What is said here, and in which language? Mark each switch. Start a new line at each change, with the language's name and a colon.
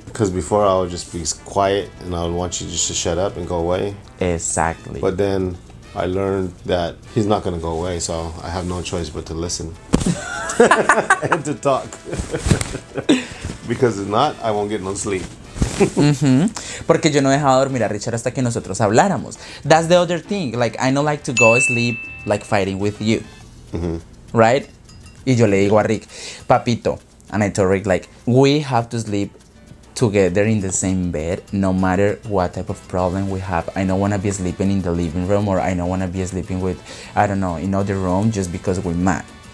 English: Because before I would just be quiet and I would want you just to shut up and go away. Exactly. But then I learned that he's not going to go away, so I have no choice but to listen and to talk. Because if not, I won't get no sleep.
Spanish: Porque yo no dejaba dormir a Richard hasta que nosotros habláramos.
English: That's the other thing. Like, I don't like to go sleep like fighting with you. Mm-hmm. Right?
Spanish: Y yo le digo a Rick, papito.
English: And I told Rick, like, we have to sleep together in the same bed, no matter what type of problem we have. I don't want to be sleeping in the living room, or I don't want to be sleeping with, I don't know, in other room just because we're mad.